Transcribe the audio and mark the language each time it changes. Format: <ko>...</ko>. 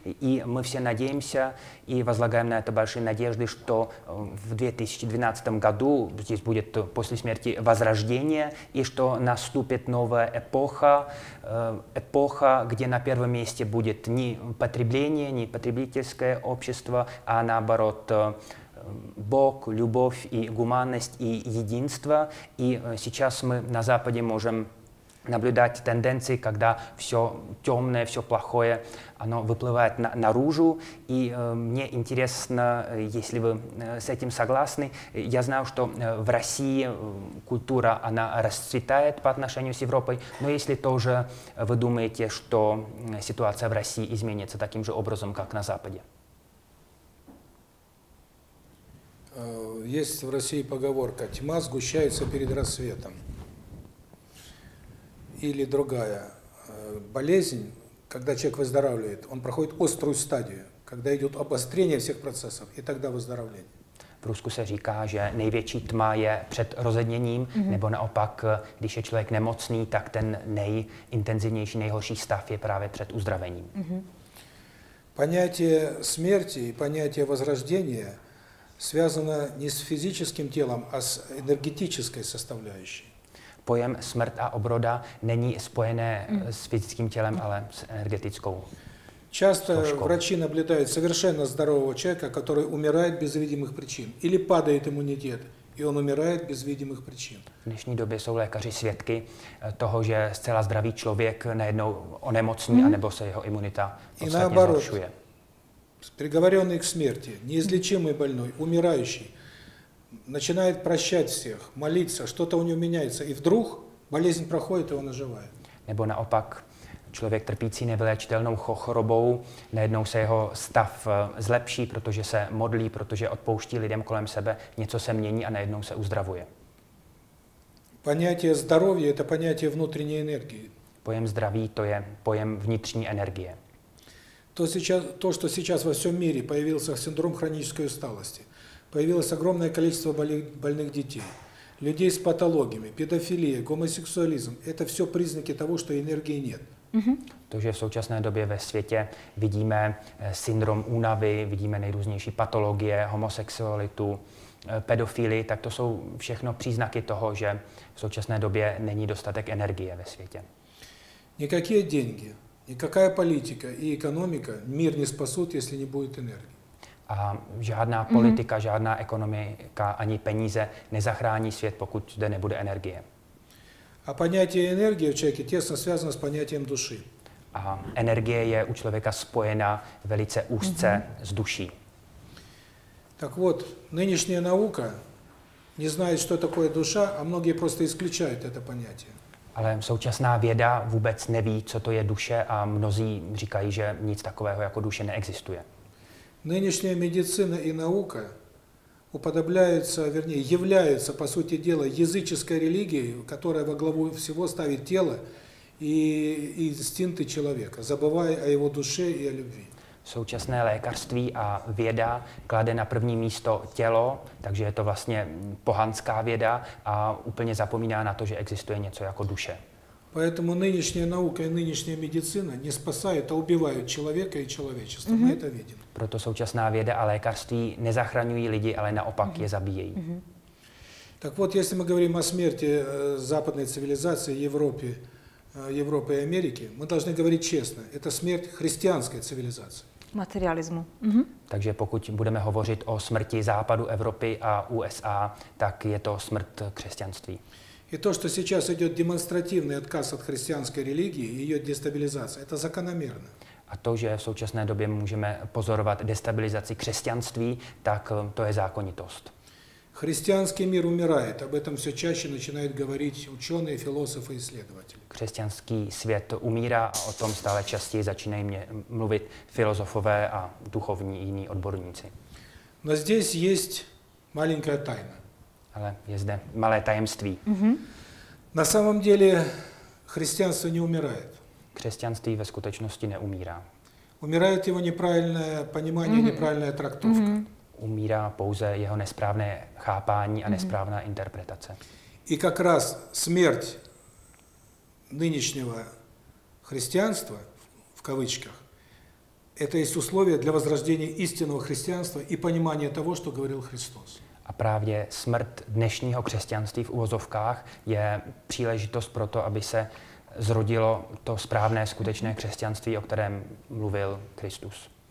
<cs>I my vše nadějíme se i vzlagujeme na to velké naděje, že v 2012 roku zde bude po smrti vzraždění a že nastoupí nová epocha, epocha, kde na prvním místě bude ne potřebení, ne potřebitelské občanstvo, a naopak</cs> <ru>Бог, любовь и гуманность и единство. И сейчас мы на Западе можем наблюдать тенденции, когда все темное, все плохое, оно выплывает наружу. И мне интересно, если вы с этим согласны. Я знаю, что в России культура, она расцветает по отношению с Европой. Но если тоже вы думаете, что ситуация в России изменится таким же образом, как на Западе? Есть в России поговорка «тьма сгущается перед рассветом». Или другая болезнь, когда человек выздоравливает, он проходит острую стадию, когда идет обострение всех процессов, и тогда выздоровление. В Русске</ru> <cs>se říká, že největší tma je před rozedněním, nebo naopak, když je člověk nemocný, tak ten nejintenzivnější, nejhorší stav je právě před uzdravením.</cs> <ru>Понятие смерти и понятие возрождения связано не с физическим телом, а с энергетической составляющей.</ru> <cs>Pojem smrt a obroda není spojené s fyzickým tělem, ale s energetickou.</cs> <ru>Часто врачи наблюдают совершенно здорового человека, который умирает без видимых причин, или падает иммунитет, и он умирает без видимых причин. В нынешней</ru> <cs>době jsou lékaři svědky toho, že zcela zdravý člověk najednou onemocní anebo se jeho imunita podstatně zhoršuje.</cs> <ru>Приговоренный к смерти, неизлечимый больной, умирающий, начинает прощать всех, молиться, что-то у него меняется, и вдруг болезнь проходит, и он оживает.</ru> <cs>Nebo naopak, člověk trpící nevyléčitelnou chorobou, najednou se jeho stav zlepší, protože se modlí, protože odpouští lidem kolem sebe, něco se mění a najednou se uzdravuje.</cs> <ru>Понятие здоровья – это понятие внутренней энергии.</ru> <cs>Pojem zdraví – to je pojem vnitřní energie.</cs> <ru>То, что сейчас во всем мире появился синдром хронической усталости, появилось огромное количество больных детей, людей с патологиями, педофилия, гомосексуализм – это все признаки того, что энергии нет.</ru> <cs>To, že v současné době ve světě vidíme syndrom únavy, vidíme nejrůznější patologie, homosexualitu, pedofilii, tak to jsou všechno příznaky toho, že v současné době není dostatek energie ve světě.</cs> <ru>Никакие деньги, никакая политика и экономика мир не спасут, если не будет энергии.</ru> <cs>A žádná politika, žádná ekonomika ani peníze nezachrání svět, pokud zde nebude energie.</cs> <ru>A понятие энергии в человеке тесно связано с понятием души.</ru> <cs>A energie je u člověka spojena velice úzce s duší.</cs> <ru>Так вот, нынешняя наука не знает, что такое душа, а многие просто исключают это понятие.</ru> <cs>Ale současná věda vůbec neví, co to je duše a mnozí říkají, že nic takového jako duše neexistuje.</cs> <ru>Нынешняя медицина и наука уподобляются, вернее, являются по сути дела языческой религией, которая во главу всего ставит тело и инстинкты человека, забывая о его душе и о любви.</ru> <cs>Současné lékařství a věda klade na první místo tělo, takže je to vlastně pohanská věda a úplně zapomíná na to, že existuje něco jako duše.</cs> <ru>Поэтому нынешняя наука и нынешняя медицина не спасает, а убивает человека и человечество. Мы это видим.</ru> <cs>Proto současná věda a lékařství nezachraňují lidi, ale naopak je zabíjejí.</cs> <ru>Так вот, если мы говорим о смерти западной цивилизации Европе, Европы и Америки, мы должны говорить честно. Это смерть христианской цивилизации. Материализму.</ru> <cs>Takže pokud budeme hovořit o smrti západu Evropy a USA, tak je to smrt křesťanství.</cs> <ru>И то, что сейчас идет демонстративный отказ от христианской религии и ее дестабилизация, это закономерно.</ru> <cs>A to, že v současné době můžeme pozorovat destabilizaci křesťanství, tak to je zákonitost.</cs> <ru>Христианский мир умирает, об этом все чаще начинают говорить ученые, философы, исследователи.</ru> <cs>Křesťanský svět umírá a o tom stále častěji začínají mluvit filozofové a duchovní jiní odborníci.</cs> <ru>Но здесь есть маленькая тайна.</ru> <cs>Ale je zde malé tajemství.</cs> <ru>На самом деле христианство не умирает.</ru> <cs>Křesťanství ve skutečnosti neumírá.</cs> <ru>Умирает его неправильное понимание, неправильная трактовка.</ru> <cs>Umírá pouze jeho nesprávné chápání a nesprávná interpretace.</cs> <ru>И как раз смерть нынешнего христианства в кавычках это есть условие для возрождения истинного христианства и понимания того, что говорил Христос.</ru> <cs>A právě smrt dnešního křesťanství v uvozovkách je příležitost pro to, aby se zrodilo to správné skutečné křesťanství, o kterém mluvil Kristus.</cs>